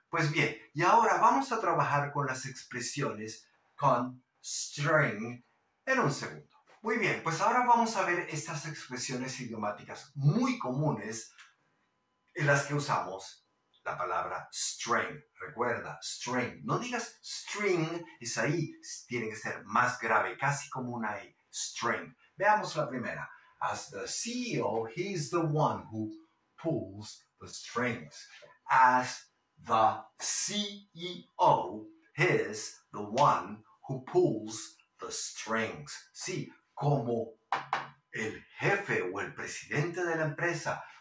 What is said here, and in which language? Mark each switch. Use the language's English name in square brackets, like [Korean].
[Spanish] Pues bien, y ahora vamos a trabajar con las expresiones con string en un segundo. Muy bien, pues ahora vamos a ver estas expresiones idiomáticas muy comunes en las que usamos la palabra string. Recuerda, string. No digas string, es ahí. Tiene que ser más grave, casi como una E. String. Veamos la primera. [English] As the CEO, he's the one who pulls the strings. As the CEO, he's the one who pulls the strings. [Spanish] Sí, como el jefe o el presidente de la empresa.